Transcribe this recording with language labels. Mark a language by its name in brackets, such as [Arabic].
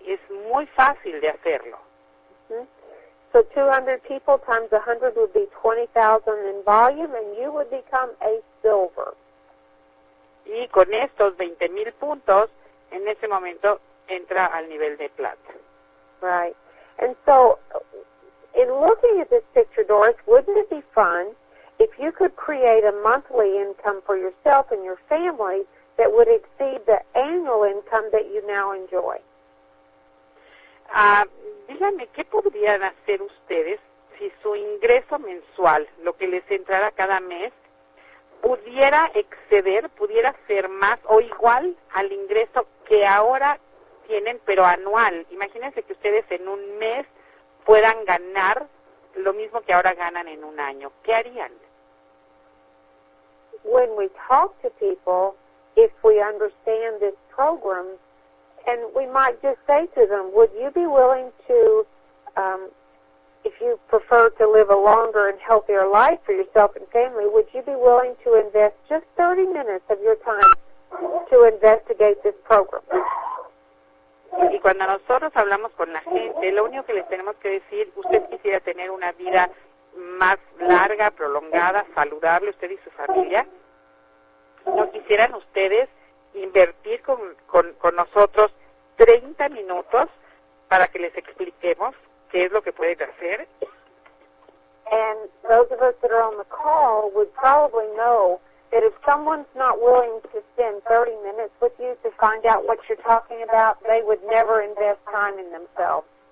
[Spanish] Es muy fácil de hacerlo. [English] So 200 people times 100 would be 20,000 in volume, and you would become a silver. [Spanish] Y con estos 20,000 puntos, en ese momento entra al nivel de plata. [English] Right. And so, in looking at this picture, Doris, wouldn't it be fun if you could create a monthly income for yourself and your family that would exceed the annual income that you now enjoy? [Spanish] Díganme, ¿qué podrían hacer ustedes si su ingreso mensual, lo que les entrara cada mes, pudiera exceder, pudiera ser más o igual al ingreso que ahora tienen, pero anual? Imagínense que ustedes en un mes puedan ganar lo mismo que ahora ganan en un año. ¿Qué harían? [English] When we talk to people, if we understand this program, and we might just say to them, would you be willing to, if you prefer to live a longer and healthier life for yourself and family, would you be willing to invest just 30 minutes of your time to investigate this program? [Spanish] Y cuando nosotros hablamos con la gente, lo único que les tenemos que decir, usted quisiera tener una vida más larga, prolongada, saludable, usted y su familia, ¿no quisieran ustedes invertir con nosotros 30 minutos para que les expliquemos qué es lo que pueden hacer? [English] And those of us that are on the call would probably know that if someone's not willing to spend 30 minutes with you to find out what you're talking about, they would never invest time in themselves.